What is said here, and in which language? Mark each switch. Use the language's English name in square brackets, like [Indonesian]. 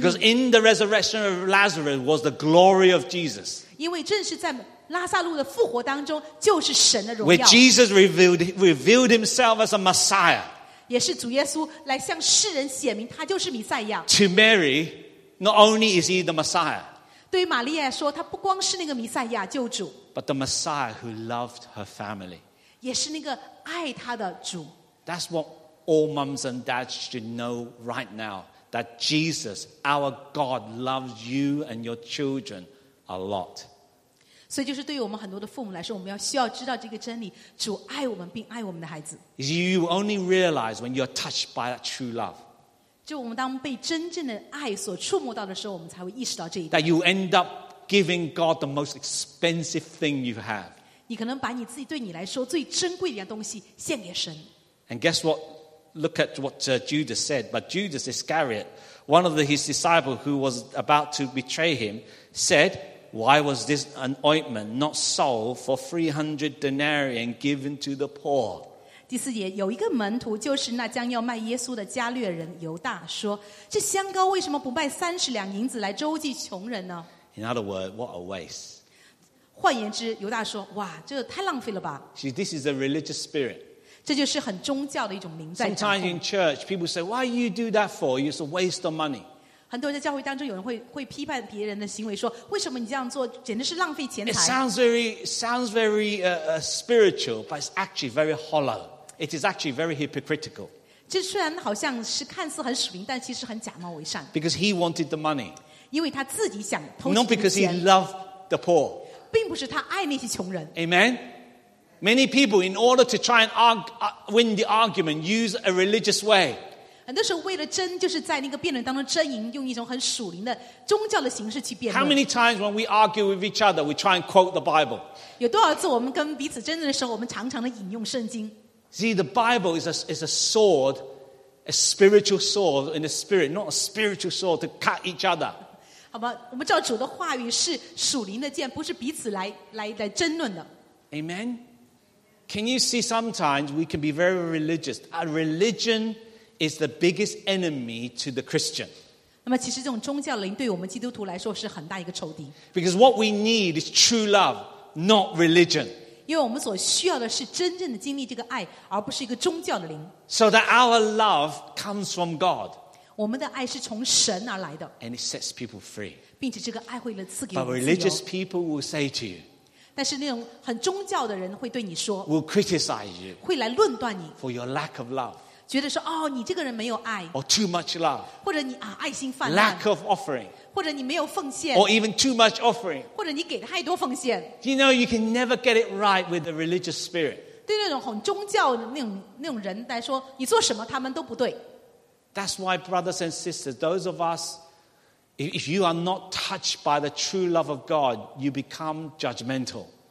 [English] Because in the resurrection of Lazarus was the glory of Jesus. [Chinese] 因为正是在拉撒路的复活当中就是神的荣耀。 [English] Where Jesus revealed himself as a Messiah. [Chinese] 也是主耶稣来向世人显明他就是弥赛亚。 [English] To Mary, not only is he the Messiah. [Chinese] 对于玛利亚说他不光是那个弥赛亚救主。 [English] But the Messiah who loved her family. [Chinese] 也是那个爱他的主。 [English] That's what all moms and dads should know right now. That Jesus, our God, loves you and your children a lot. [Chinese] 所以就是对于我们很多的父母来说，我们要需要知道这个真理，主爱我们并爱我们的孩子。 [English] You only realize when you're touched by that true love. [Chinese] 就我们当被真正的爱所触摸到的时候，我们才会意识到这一点。 [English] That you end up giving God the most expensive thing you have. [Chinese] 你可能把你自己对你来说最珍贵的一样东西献给神。 [English] And guess what? Look at what Judas said. But Judas Iscariot, one of his disciples who was about to betray him, said,Why was this an ointment not sold for 300 denarii and given to the poor? [Chinese] 第四节有一个门徒就是那将要卖耶稣的加略人犹大说这香膏为什么不卖30两银子来周济穷人呢 [English] In other words, what a waste. [Chinese] 换言之犹大说哇这太浪费了吧 [English] See, this is a religious spirit. [Chinese] 这就是很宗教的一种灵在掌控 [English] Sometimes in church, people say, why you do that for? It's a waste of money. [Chinese] 很多人在教会当中，有人会批判别人的行为，说为什么你这样做，简直是浪费钱财。 [English] It sounds very spiritual, but it's actually very hollow. It is actually very hypocritical. [Chinese] 这虽然好像是看似很属灵，但其实很假冒伪善。 [English] Because he wanted the money. [Chinese] 因为他自己想偷钱。 [English] Not because he loved the poor. [Chinese] 并不是他爱那些穷人。 [English] Amen. Many people, in order to try and win the argument, use a religious way. [Chinese] 很多时候为了争就是在那个辩论当中争赢用一种很属灵的宗教的形式去辩论 [English] How many times when we argue with each other we try and quote the Bible [Chinese] 有多少次我们跟彼此争论的时候我们常常的引用圣经 [English] See the Bible is a sword a spiritual sword in the spirit not a spiritual sword to cut each other [Chinese] 好吧我们知道主的话语是属灵的剑不是彼此 来争论的 [English] Amen Can you see sometimes we can be very religious a religionis the biggest enemy to the Christian. [Chinese] 那么其实这种宗教灵对我们基督徒来说是很大一个仇敌。 [English] Because what we need is true love, not religion. [Chinese] 因为我们所需要的是真正的经历这个爱而不是一个宗教的灵。 [English] So that our love comes from God. [Chinese] 我们的爱是从神而来的。 [English] And it sets people free. [Chinese] 并且这个爱会赐给我们自由。 [English] But religious people will say to you, [Chinese] 但是那种很宗教的人会对你说 [English] will criticize you, [Chinese] 会来论断你 [English] for your lack of love. [Chinese] 觉得说哦，你这个人没有爱 [English] ，or too much love， [Chinese] 或者你爱心泛滥 [English] ，lack of offering， [Chinese] 或者你没有奉献 [English] ，or even too much offering， [Chinese] 或者你给太多奉献。 [English] You know you can never get it right with the religious spirit。 [Chinese] 对那种很宗教的那种人来说，你做什么他们都不对。 [English] That's why, brothers and sisters, those of us If you are not touched by the true love of God, you become judgmental.